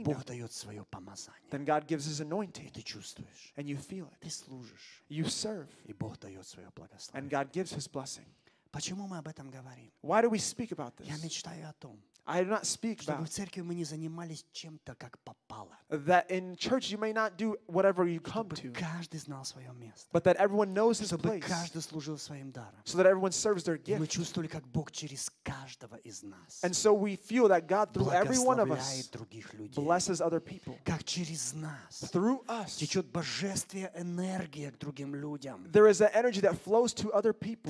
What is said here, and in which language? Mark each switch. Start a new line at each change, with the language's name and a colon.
Russian: И Бог дает свое помазание.
English: Then God gives His anointing.
Russian: И ты чувствуешь.
English: And you feel it.
Russian: Ты служишь.
English: You serve.
Russian: И Бог дает свое благословение.
English: And God gives His blessing.
Russian: Почему мы об этом говорим?
English: Why do we speak about this?
Russian: Я мечтаю о том.
English: I do not speak
Russian: чтобы в церкви мы не занимались чем-то, как попало.
English: That in church you may not do whatever you come
Russian: чтобы Каждый знал свое место.
English: But that everyone knows his
Russian: чтобы
English: place.
Russian: Каждый служил своим даром.
English: So that everyone serves their gift.
Russian: Мы чувствовали, как Бог через каждого из нас.
English: And so we feel that God through every one of us
Russian: других людей.
English: Blesses other people.
Russian: Как через нас.
English: Through us.
Russian: Течет божественная энергия к другим людям.
English: There is an energy that flows to other people.